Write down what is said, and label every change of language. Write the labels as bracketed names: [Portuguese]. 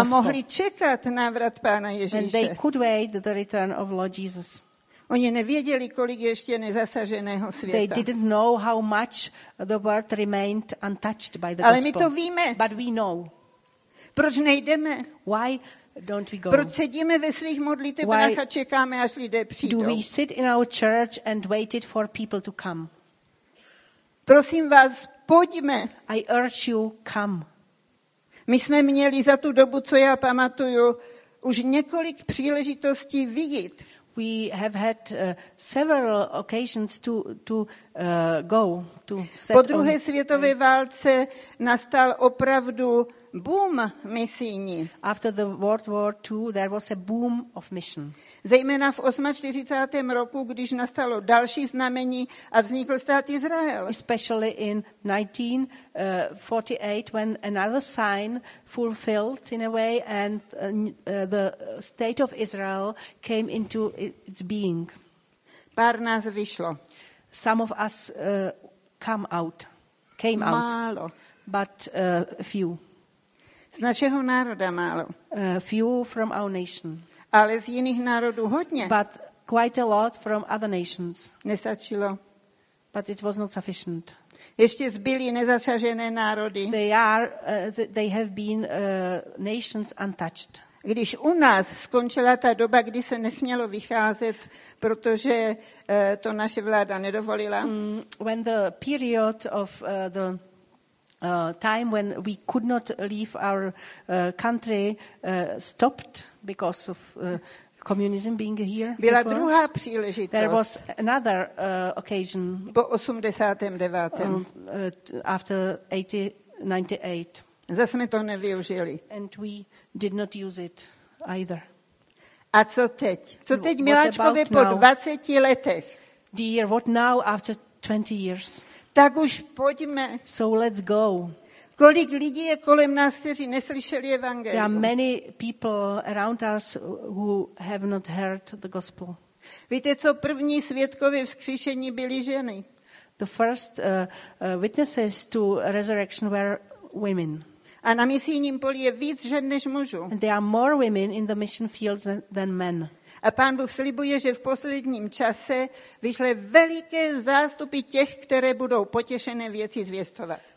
[Czech] A mohli čekat návrat Pána Ježíše. [English] And they could wait the return of Lord Jesus. [Czech] Oni nevěděli, kolik ještě nezasaženého světa. [English] They didn't know how much the world remained untouched by the [Czech] Ale Ale my to víme. [English] But we know. [Czech] Proč nejdeme? [English] Why don't we go? [Czech] Proč sedíme ve svých modlitebnách a čekáme, až lidé přijdou? [English] Do we sit in our church and waited for people to come? [Czech] Prosím vás, pojďme. [English] I urge you, come. [Czech] My jsme měli za tu dobu, co já pamatuju, už několik příležitostí vidět. [English] We have had several occasions to go to set [Czech] po druhé světové válce nastal opravdu boom misijní. [English] After the World War II, there was a boom of mission. [Czech] Zejména v 48. roku, když nastalo další znamení a vznikl stát Izrael. [English] Especially in 1948, when another sign fulfilled in a way and the state of Israel came into its being. [Czech] Pár nás vyšlo. [English] Some of us came out. [Czech] Málo. [English] But a few. [Czech] Z našeho národa málo. [English] Few from our nation. [Czech] Ale z jiných národů hodně. [English] But quite a lot from other nations. [Czech] Nestačilo. [English] But it was not sufficient. [Czech] Ještě zbyly nezasažené národy. [English] They have been nations untouched. [Czech] Když u nás skončila ta doba, kdy se nesmělo vycházet, protože to naše vláda nedovolila. [English] When the period of the time when we could not leave our country stopped because of communism being here. [Czech] Byla druhá příležitost. [English] There was another occasion. [Czech] Po 89. [English] After 1998. [Czech] Zase jsme to nevyužili. [English] And we did not use it either. [Czech] A co teď? Co teď, miláčkové, po 20 letech? [English] Dear, what now after 20 years? [Czech] Tak už pojďme. [English] So let's go. [Czech] Kolik lidí je kolem nás, kteří neslyšeli evangelium? [English] There are many people around us who have not heard the gospel. [Czech] Víte, co první svědkové vzkříšení byly ženy? [English] The first witnesses to resurrection were women. [Czech] A na misijním poli je víc žen než mužů. [English] And there are more women in the mission fields than men. [Czech] A Pán Bůh slibuje, že v posledním čase vyšle veliké zástupy těch, které budou potěšené věci zvěstovat.